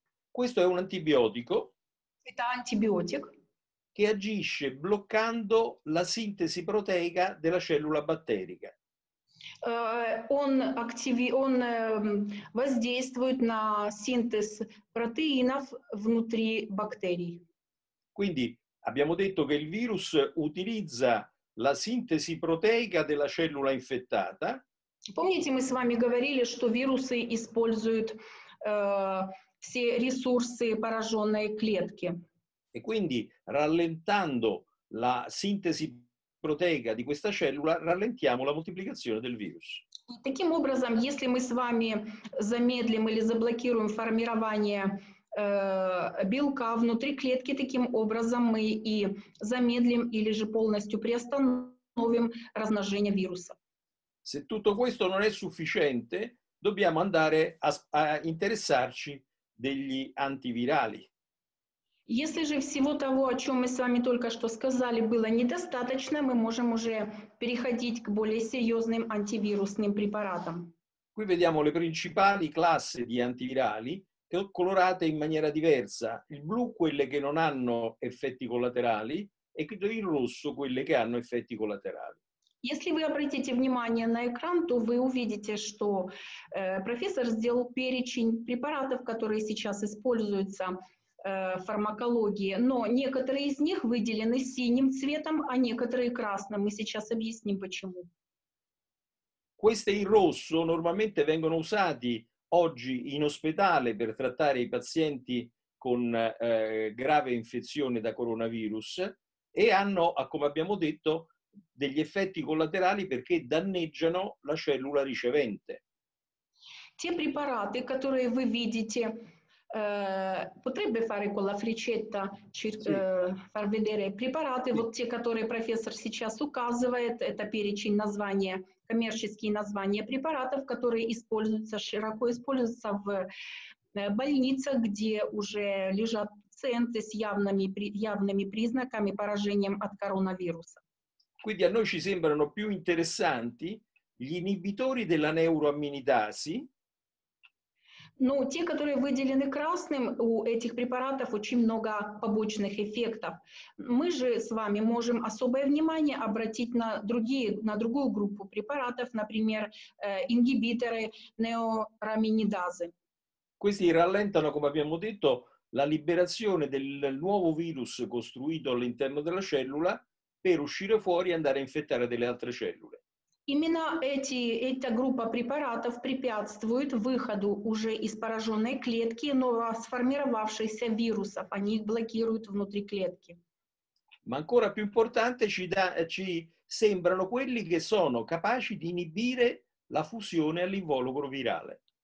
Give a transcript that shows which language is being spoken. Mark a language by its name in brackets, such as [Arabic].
[Italian] Questo è un antibiotico. [Russian] Это антибиотик. [Italian] Che agisce bloccando la sintesi proteica della cellula batterica. [Russian] Воздействует на синтез протеинов внутри бактерий. [Italian] Quindi abbiamo detto che il virus utilizza la sintesi proteica della cellula infettata. [Russian] Помните, мы с вами говорили, что вирусы используют все ресурсы пораженной клетки. [Italian] E quindi rallentando la sintesi proteica di questa cellula, rallentiamo la moltiplicazione del virus. [Russian] Таким образом, если мы с вами замедлим или заблокируем формирование белка внутри клетки, таким образом мы и замедлим или же полностью приостановим размножение вируса. [Italian] Se tutto questo non è sufficiente, dobbiamo andare a interessarci degli antivirali. [Russian] Если же всего того, о чем мы с вами только что сказали, было недостаточно, мы можем уже переходить к более серьезным антивирусным препаратам. [Italian] Qui vediamo le principali classi di antivirali colorate in maniera diversa. Il blu, quelle che non hanno effetti collaterali, e il rosso, quelle che hanno effetti collaterali. [Russian] Если вы обратите внимание на экран, то вы увидите, что профессор сделал перечень препаратов, которые сейчас используются в фармакологии, но некоторые из них выделены синим цветом, а некоторые красным. Мы сейчас объясним, почему. [Italian] Questi in rosso normalmente vengono usati oggi in ospedale per trattare i pazienti con grave infezione da coronavirus e hanno, come abbiamo detto, degli effetti collaterali perché danneggiano la cellula ricevente. [Russian] Те препараты, которые вы видите, [Italian] potrebbe fare con la freccetta far vedere [Russian] препараты, вот те, которые профессор сейчас указывает, это перечень названия, коммерческие названия препаратов, которые используются, широко используются в больницах, где уже лежат пациенты с явными признаками поражения от коронавируса. [Italian] Quindi a noi ci sembrano più interessanti gli inibitori della neuraminidasi. [Russian] Ну, те, которые выделены красным, у этих препаратов очень много побочных эффектов. Мы же с вами можем особое внимание обратить на другую группу препаратов, например, ингибиторы неураминидазы. [Italian] Questi rallentano, come abbiamo detto, la liberazione del nuovo virus costruito all'interno della cellula per uscire fuori e andare a infettare delle altre cellule. [Russian] Именно эта группа препаратов препятствует выходу уже из пораженной клетки новосформировавшихся вирусов. Они их блокируют внутри клетки. [Italian] Ma ancora più importante ci sembrano quelli che sono capaci di inibire la fusione all'involucro virale.